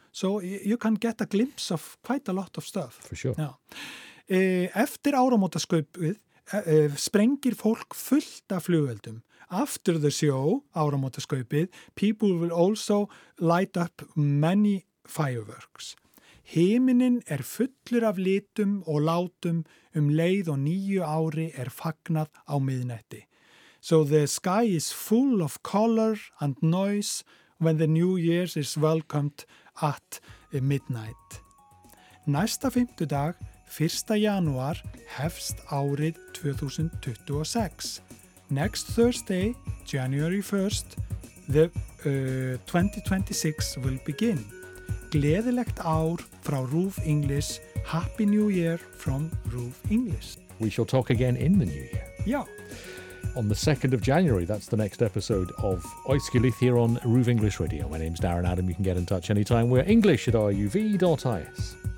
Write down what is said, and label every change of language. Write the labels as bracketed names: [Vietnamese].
[English] So you can get a glimpse of quite a lot of stuff. For sure. [Icelandic] Yeah. Eftir áramótaskaupið, sprengir fólk fullt af flugeldum. [English] After the show, áramótaskaupið, people will also light up many fireworks. [Icelandic] Himinin fullur af litum og látum leið og nýju ári fagnað á miðnætti. [English] So the sky is full of color and noise when the new year is welcomed at midnight. [Icelandic] Næsta fimmtudag, 1. janúar hefst árið 2026. [English] Next Thursday, January 1st, The 2026 will begin. [Icelandic] Gleðilegt ár frá RÚV English. [English] Happy New Year from RÚV English. We shall talk again in the new year. Yeah. On the 2nd of January, that's the next episode of Oiskilith here on RÚV English Radio. My name's Darren Adam. You can get in touch anytime. We're english@ruv.is.